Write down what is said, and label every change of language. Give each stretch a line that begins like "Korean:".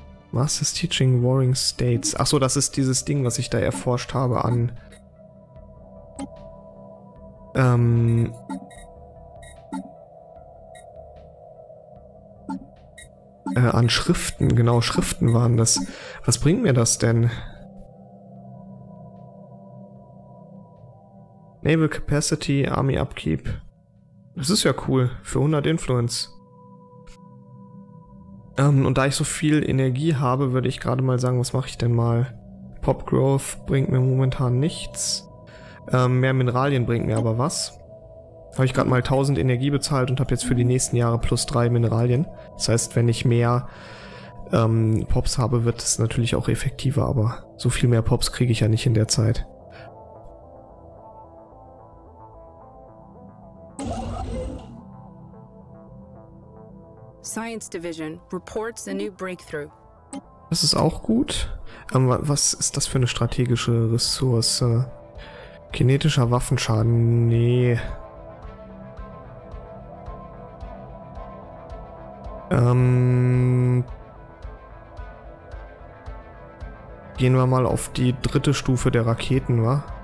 English: Masters Teaching Warring States.
German: Achso, das ist dieses Ding, was ich da erforscht habe an... an Schriften. Genau, Schriften waren das. Was bringt mir das denn?
English: Naval Capacity, Army Upkeep.
German: Das ist ja cool. Für 100 Influence. Und da ich so viel Energie habe, würde ich gerade mal sagen, was mache ich denn mal? Pop Growth bringt mir momentan nichts. Mehr Mineralien bringt mir aber was. Habe ich gerade mal 1000 Energie bezahlt und habe jetzt für die nächsten Jahre plus 3 Mineralien. Das heißt, wenn ich mehr Pops habe, wird es natürlich auch effektiver, aber so viel mehr Pops kriege ich ja nicht in der Zeit.
English: Science Division reports a new breakthrough.
German: Das ist auch gut. Was ist das für eine strategische Ressource? Kinetischer Waffenschaden? Nee. Gehen wir mal auf die dritte Stufe der Raketen, wa?